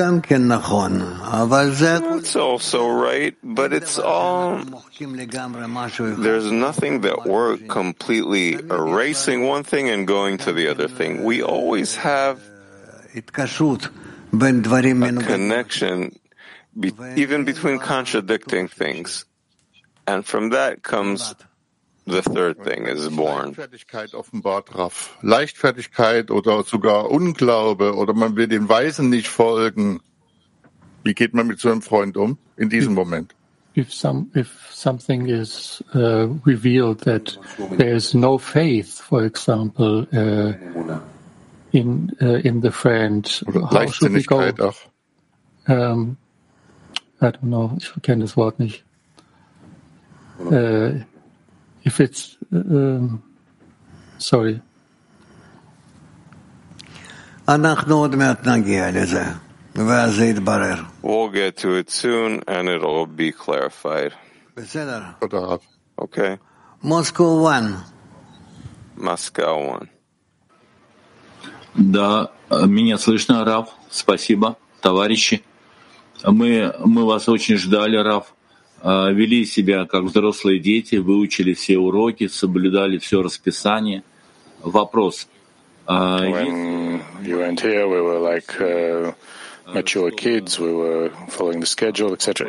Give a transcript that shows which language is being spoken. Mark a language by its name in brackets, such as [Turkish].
[English] That's also right, but it's all, there's nothing that we're completely erasing one thing and going to the other thing. We always have a connection, even between contradicting things. And from that comes the third thing is born. [German] Leichtfertigkeit offenbart, Raff. Leichtfertigkeit oder sogar Unglaube oder man will den Weisen nicht folgen. Wie geht man mit so einem Freund um in diesem Moment? [English] If something is revealed that there is no faith, for example, in the friend, how should we go? I don't know. [German] Ich kenne das Wort nicht. [English] If it's sorry. [Hebrew] אנחנו עוד מעט נגיע לזה, ואז זה יתברר. We'll get to it soon, and it'll be clarified. בסדר. תודה רבה. [English] Okay. Moscow 1. Moscow 1. [Russian] Да, меня слышно, Рав. Спасибо, товарищи. Мы вас очень ждали, Рав. Вели себя как взрослые дети, выучили все уроки, соблюдали все расписание. Вопрос. [English] When you weren't here, we were like mature kids, we were following the schedule, etc.